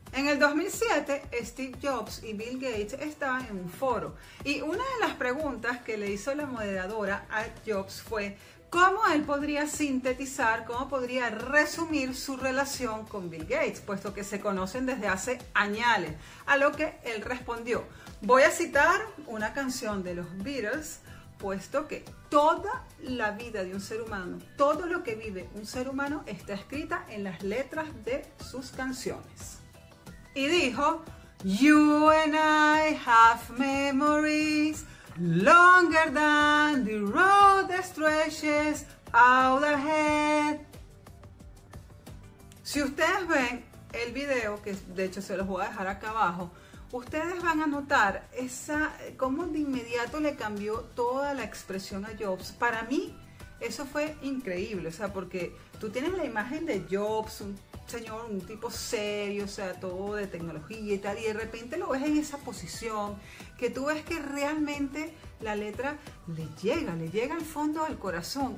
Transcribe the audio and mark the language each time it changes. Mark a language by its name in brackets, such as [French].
[Spanish] En el 2007, Steve Jobs y Bill Gates estaban en un foro y una de las preguntas que le hizo la moderadora a Jobs fue ¿cómo él podría sintetizar, cómo podría resumir su relación con Bill Gates, puesto que se conocen desde hace añales? A lo que él respondió, voy a citar una canción de los Beatles, puesto que toda la vida de un ser humano, todo lo que vive un ser humano está escrita en las letras de sus canciones. [English] Y dijo, you and I have memories longer than the road that stretches out ahead. [Spanish] Si ustedes ven el video, que de hecho se los voy a dejar acá abajo, ustedes van a notar esa, cómo de inmediato le cambió toda la expresión a Jobs. Para mí, eso fue increíble, o sea, porque tú tienes la imagen de Jobs, un señor, un tipo serio, o sea, todo de tecnología y tal, y de repente lo ves en esa posición, que tú ves que realmente la letra le llega al fondo del corazón.